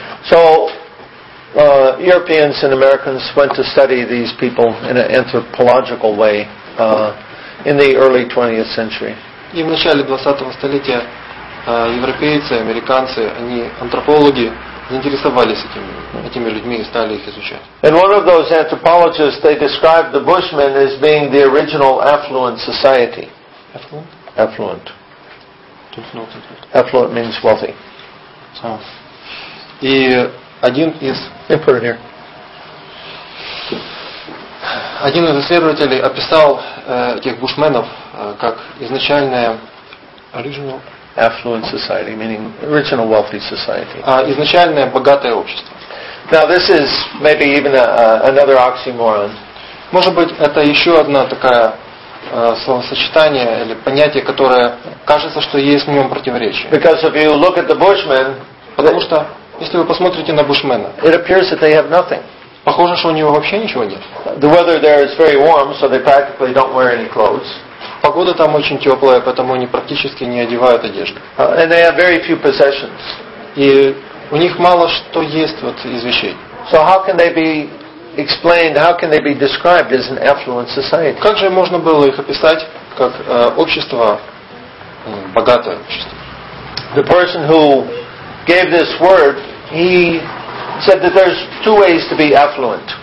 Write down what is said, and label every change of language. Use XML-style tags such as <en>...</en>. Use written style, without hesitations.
<en>So, Europeans and Americans went to study these people in an anthropological way in the early 20th century.</en> <ru>И в начале 20-го столетия европейцы, американцы, они антропологи заинтересовались этими людьми и стали их изучать.</ru> <en>And one of those anthropologists, they described the Bushmen as being the original affluent society. Affluent. Affluent means wealthy. So.</en> <ru>И один из исследователей описал этих бушменов как изначальное</ru> <en>original affluent society, meaning original wealthy society.</en> <ru>Изначальное богатое общество.</ru> <en>Now this is maybe even another oxymoron.</en> <ru>Может быть, это еще одна такая словосочетание или понятие, которое кажется, что есть в нем противоречие.</ru> <en>Because if you look at the bushmen,</en> <ru>потому что если вы посмотрите на бушмена,</ru> <en>it appears that they have nothing.</en> <ru>Похоже, что у него вообще ничего нет.</ru> <en>The weather there is very warm, so they practically don't wear any clothes.</en> <ru>Погода там очень теплая, поэтому они практически не одевают одежду.</ru> <en>And they have very few possessions.</en> <ru>И у них мало что есть вот из вещей.</ru> <en>So how can they be explained, how can they be described as an affluent society?</en> <ru>Как же можно было их описать как общество, богатое общество?</ru> <en>The person who gave this word, he said that there's two ways to be affluent.</en>